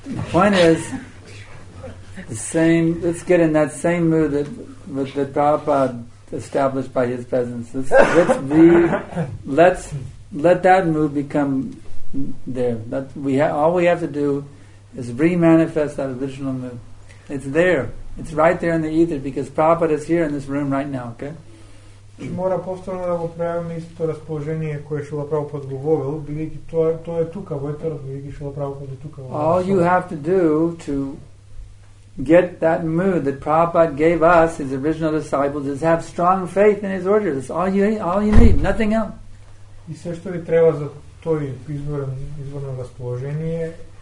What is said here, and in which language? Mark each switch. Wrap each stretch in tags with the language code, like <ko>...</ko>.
<en>Point is, the same, let's get in that same mood that Prabhupada established by his presence. Let that mood become there. All we have to do is re-manifest that original mood. It's there. It's right there in the ether because Prabhupada is here in this room right now, okay?</en> <mk>Че мора повторно да го правим истото разположение кое Шила Прабхупад говорил, бидејќи тоа е тука во етер, бидејќи Шила Прабхупад е тука во</mk> <en>All you have to do to get that mood that Prabhupada gave us, his original disciples, is have strong faith in his orders. That's all you need, nothing else.</en> <mk>И се што ви треба за тој изворно разположение.</mk>